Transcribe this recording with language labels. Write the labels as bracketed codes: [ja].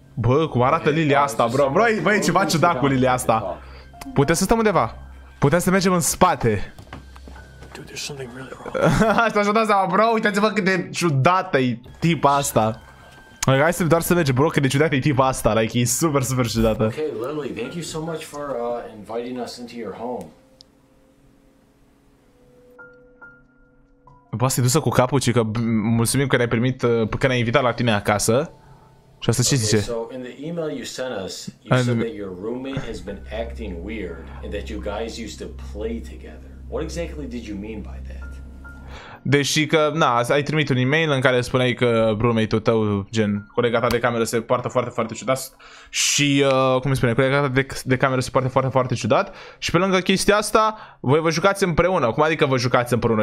[ro] Bă, cum arată Lilia asta, bro? Bro, bă, e ceva ciudat cu Lilia asta. Putem să stăm undeva? Putem să mergem în spate. Asta așa dat seama, bro, uitați-vă cât de ciudată e tipa asta. Hai să doar să mergem, bro, cât de ciudată e tipa asta, like, e super, super ciudată. [en] Ok, Lily, thank you so much for inviting us into your home. [ro] Poate să-i dusă cu capul, ci că mulțumim că ne-ai primit, că ne-ai invitat la tine acasă. Și asta ce zice? [en] So in the email you sent us, you said that your roommate has been acting weird and that you guys used to play together. What exactly did you mean by that? [ro] Deși că, na, ai trimit un email în care spuneai că roommate-ul tău, gen, colega ta de cameră se poartă foarte, foarte ciudat. Și, cum îi spune, colega ta de cameră se poartă foarte, foarte ciudat. Și pe lângă chestia asta, voi vă jucați împreună. Cum adică vă jucați împreună?